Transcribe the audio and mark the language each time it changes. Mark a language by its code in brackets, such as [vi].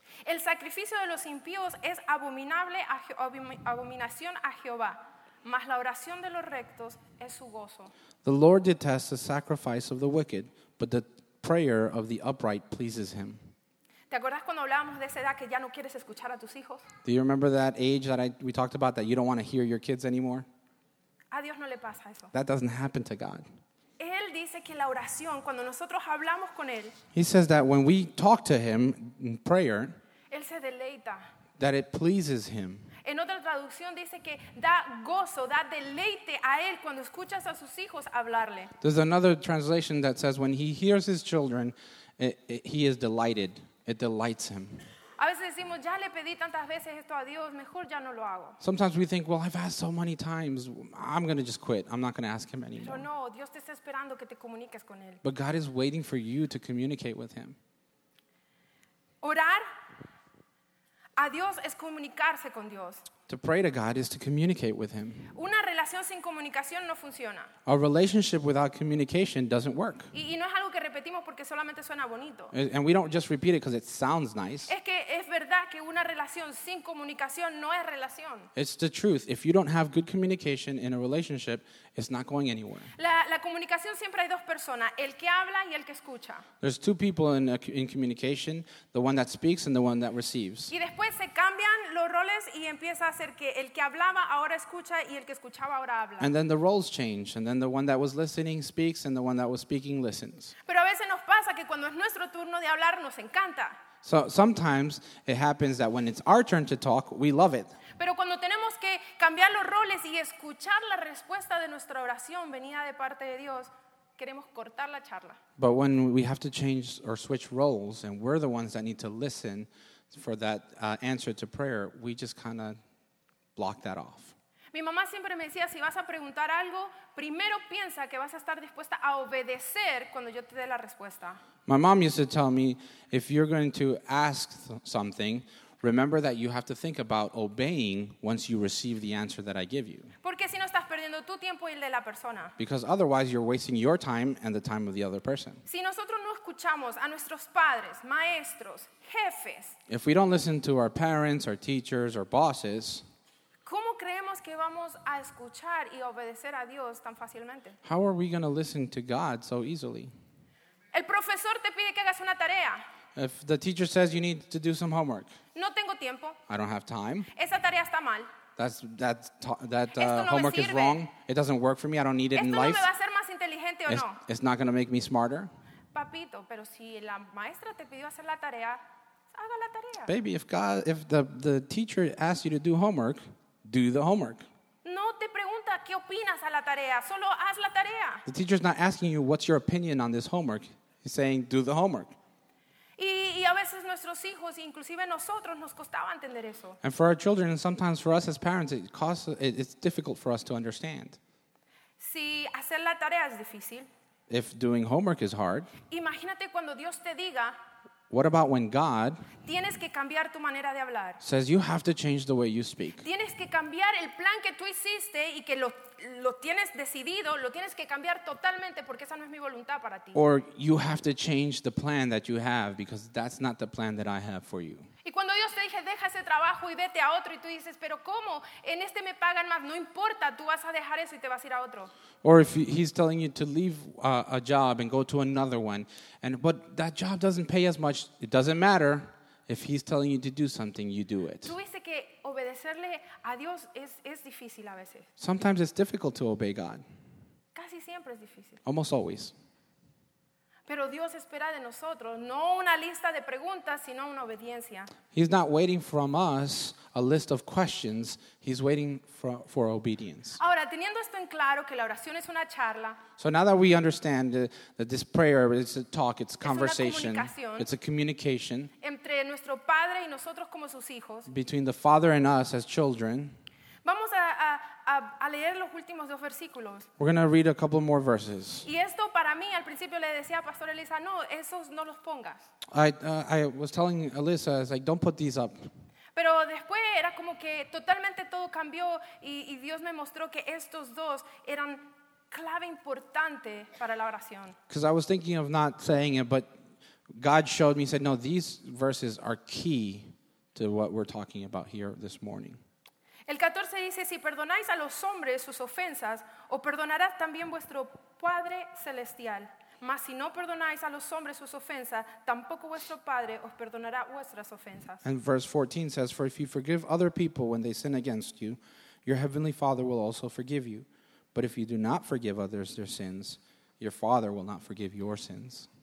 [es] El sacrificio de los impíos es abominación a Jehová, mas la oración de los rectos es su gozo. [en] The Lord detests the sacrifice of the wicked, but the prayer of the upright pleases him. [es] ¿Te acuerdas cuando hablábamos de esa edad que ya no quieres escuchar a tus hijos? [en] Do you remember that age that we talked about that you don't want to hear your kids anymore? [es] A Dios no le pasa eso. [en] That doesn't happen to God. [es] Él dice que la oración, cuando nosotros hablamos con él, [en] he says that when we talk to him in prayer, [es] él se deleita. [en] That it pleases him. [es] En otra traducción dice que da gozo, da deleite a él cuando escuchas a sus hijos hablarle. [en] There's another translation that says when he hears his children, he is delighted. It delights him. [es] A veces decimos, ya le pedí tantas veces esto a Dios, mejor ya no lo hago. [en] Sometimes we think, well, I've asked so many times, I'm going to just quit. I'm not going to ask him anymore. [es] Pero no, Dios te está esperando que te comuniques con él. [en] But God is waiting for you to communicate with him. [es] Orar. A Dios es comunicarse con Dios. [en] To pray to God is to communicate with him. [es] Una relación sin comunicación no funciona. [en] A relationship without communication doesn't work. [es] Y no es algo que repetimos porque solamente suena bonito. [en] And we don't just repeat it because it sounds nice. [es] Es que es verdad que una relación sin comunicación no es relación. [en] It's the truth. If you don't have good communication in a relationship, it's not going anywhere. [es] La comunicación siempre hay dos personas, el que habla y el que escucha. [en] There's two people in communication, the one that speaks and the one that receives. [es] Y después se cambian los roles y empieza a hacer que el que hablaba ahora escucha y el que escuchaba ahora habla. [en] And then the roles change, and then the one that was listening speaks and the one that was speaking listens. [es] Pero a veces nos pasa que cuando es nuestro turno de hablar nos encanta. [en] So sometimes it happens that when it's our turn to talk, we love it. [es] Pero cuando tenemos que cambiar los roles y escuchar la respuesta de nuestra oración venida de parte de Dios, queremos cortar la charla. [en] But when we have to change or switch roles and we're the ones that need to listen for that answer to prayer, we just kind of block that off. [es] Mi mamá siempre me decía, si vas a preguntar algo, primero piensa que vas a estar dispuesta a obedecer cuando yo te dé la respuesta. [en] My mom used to tell me, if you're going to ask something, remember that you have to think about obeying once you receive the answer that I give you. [es] Porque si no estás perdiendo tu tiempo y el de la persona. [en] Because otherwise you're wasting your time and the time of the other person. [es] Si nosotros no escuchamos a nuestros padres, maestros, jefes. [en] If we don't listen to our parents, our teachers, or bosses. [es] ¿Cómo creemos que vamos a escuchar y obedecer a Dios tan fácilmente? [en] How are we going to listen to God so easily? [es] El profesor te pide que hagas una tarea. [en] If the teacher says you need to do some homework. [es] No tengo tiempo. [en] I don't have time. [es] Esa tarea está mal. [en] Homework is wrong. It doesn't work for me. I don't need it [es] esto [en] in life. [es] Esto no me va a hacer más inteligente o [en] it's, [es] no. [en] It's not going to make me smarter. [es] Papito, pero si la maestra te pidió hacer la tarea, haga la tarea. [en] Baby, if the teacher asks you to do homework, do the homework. [es] No te pregunta qué opinas a la tarea, solo haz la tarea. [en] The teacher's not asking you what's your opinion on this homework. He's saying do the homework. [es] Y a veces nuestros hijos, inclusive nosotros, nos costaba entender eso. [en] And for our children, and sometimes for us as parents, it's difficult for us to understand. [es] Si hacer la tarea es difícil. [en] If doing homework is hard. [es] Imagínate cuando Dios te diga. [en] What about when God [es] tienes que cambiar tu manera de hablar. [en] Says you have to change the way you speak? [es] Tienes que cambiar el plan que tú hiciste y que lo tienes decidido, lo tienes que cambiar totalmente porque esa no es mi voluntad para ti. [en] Or you have to change the plan that you have because that's not the plan that I have for you. [es] Y cuando Dios te dice, deja ese trabajo y vete a otro, y tú dices, pero ¿cómo? En este me pagan más, no importa, tú vas a dejar eso y te vas a ir a otro. [en] Or if he's telling you to leave a job and go to another one, and but that job doesn't pay as much, it doesn't matter. If he's telling you to do something, you do it. [es] Tú dices que obedecerle a Dios es difícil a veces. [en] Sometimes it's difficult to obey God. [es] Casi siempre es difícil. [en] Almost always. [es] Pero Dios espera de nosotros no una lista de preguntas, sino una obediencia. [en] He's not waiting from us a list of questions. He's waiting for obedience. [es] Ahora, teniendo esto en claro, que la oración es una charla. [en] So now that we understand that this prayer is a talk, it's conversation. [es] Es una comunicación. [en] It's a communication. [es] Entre nuestro padre y nosotros como sus hijos. [en] Between the father and us as children. [es] Vamos a leer los últimos dos versículos. [en] We're going to read a couple more verses. [es] Y esto para mí, al principio le decía a Pastor Elisa, no, esos no los pongas. [en] I was telling Elisa, I was like, don't put these up. [es] Pero después era como que totalmente todo cambió y Dios me mostró que estos dos eran clave importante para la oración. [en] Because I was thinking of not saying it, but God showed me, said, no, these verses are key to what we're talking about here this morning. [es] El 14 dice, si perdonáis a los hombres sus ofensas, os perdonará también vuestro Padre Celestial. Mas si no perdonáis a los hombres sus ofensas, tampoco vuestro Padre os perdonará vuestras ofensas. [en] And verse 14 says, for if you forgive other people when they sin against you, your heavenly Father will also forgive you. But if you do not forgive others their sins, your Father will not forgive your sins.